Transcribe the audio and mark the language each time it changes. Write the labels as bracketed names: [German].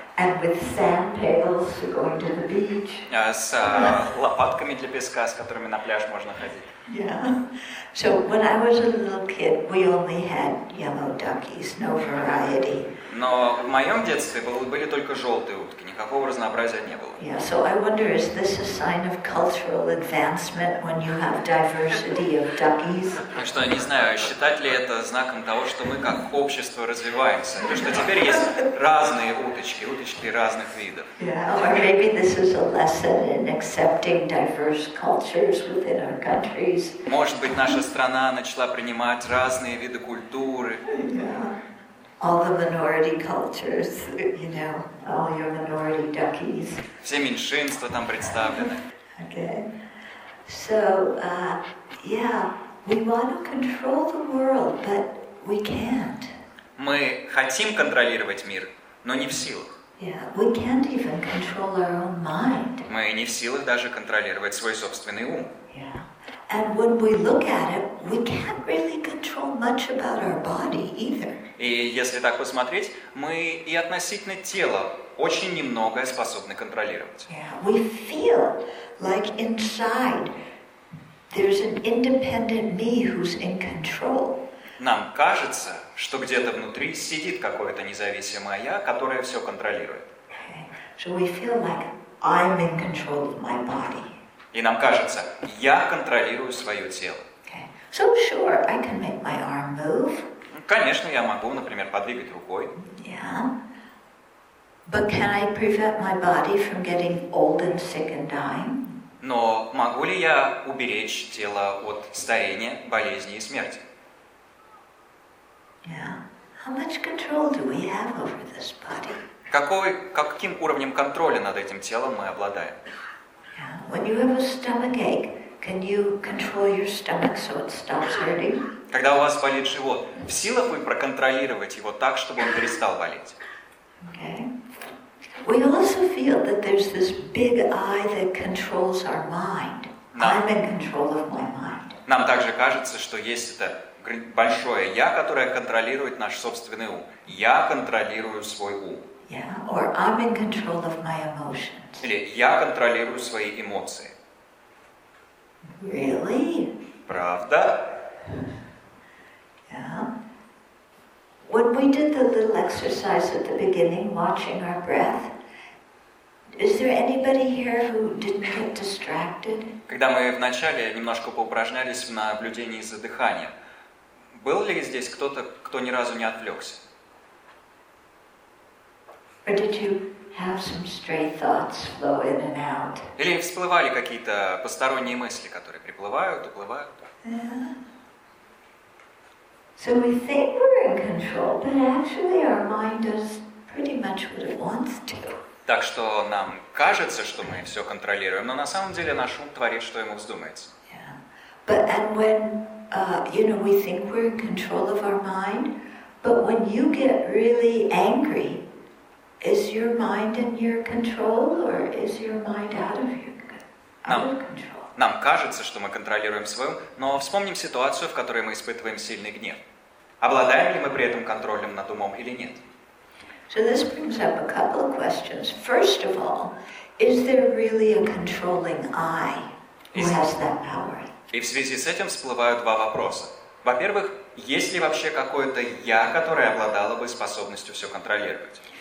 [English] And with sand pails for going to the beach. [Russian] С лопатками для песка, с которыми на пляж можно ходить. [English] Yeah. So when I was a little kid, we only had yellow duckies, no variety. [Russian] Но в моем детстве были только желтые утки, никакого разнообразия не было. [English] Yeah. So I wonder, is this a sign of cultural advancement when you have diversity of duckies? [Russian] Что я не знаю, считать ли это знаком того, что мы как общество развиваемся, то что теперь есть разные уточки, уточки разных видов. [English] Yeah. Or maybe this is a lesson in accepting diverse cultures within our country. [Russian] Может быть, наша страна начала принимать разные виды культуры. [English] Yeah. All the minority cultures, you know, all your minority duckies. [Russian] Все меньшинства там представлены. [English] Okay. So, yeah, we want to control the world, but we can't. [Russian] Мы хотим контролировать мир, но не в силах. [English] Yeah, we can't even control our own mind. [Russian] Мы не в силах даже контролировать свой собственный ум. [English] Yeah. And when we look at it, we can't really control much about our body either. [Russian] И если так посмотреть, мы и относительно тела очень немногое способны контролировать. [English] Yeah, we feel like inside there's an independent me who's in control. [Russian] Нам кажется, что где-то внутри сидит какое-то независимое я, которое все контролирует. [English] Okay. So we feel like I'm in control of my body. [Russian] И нам кажется, я контролирую свое тело. [English] Okay. So sure, I can make my arm move. [Russian] Конечно, я могу, например, подвигать рукой. [English] Yeah. But can I prevent my body from getting old and sick and dying? [Russian] Но могу ли я уберечь тело от старения, болезни и смерти? [English] Yeah. How much control do we have over this body? [Russian] Каким уровнем контроля над этим телом мы обладаем? [English] Yeah. When you have a stomach ache, can you control your stomach so it stops hurting? [Russian] Когда у вас болит живот, в силах вы проконтролировать его так, чтобы он перестал болеть? [English] Okay. We also feel that there's this big eye that controls our mind. I'm in control of my mind. [Russian] Нам также кажется, что есть это большое я, которое контролирует наш собственный ум. Я контролирую свой ум. [English] Yeah, or I'm in control of my emotions. [Russian] Или я контролирую свои эмоции. [English] Really? [Russian] Правда? [English] Yeah. When we did the little exercise at the beginning, watching our breath, is there anybody here who didn't get distracted? [Russian] Когда мы вначале немножко поупражнялись в наблюдении за дыханием, был ли здесь кто-то, кто ни разу не отвлекся? [English] Or did you have some stray thoughts flow in and out? [Russian] Или всплывали какие-то посторонние мысли, которые приплывают, уплывают? [English] Yeah. So we think we're in control, but actually our mind does pretty much what it wants to. [Russian] Так что нам кажется, что мы все контролируем, но на самом деле наш ум творит, что ему вздумается. [English] Yeah. But and when you know we think we're in control of our mind, but when you get really angry. Is your mind in your control, or is your mind out of control? [Russian] Нам кажется, что мы контролируем свой ум, но вспомним ситуацию, в которой мы испытываем сильный гнев. Обладаем ли мы при этом контролем над умом или нет? [English] So this brings up a couple of questions. First of all, is there really a controlling I who has that power? [Russian] И в связи с этим всплывают два вопроса. Во-первых, есть ли вообще какое-то я, которое обладало бы способностью все контролировать?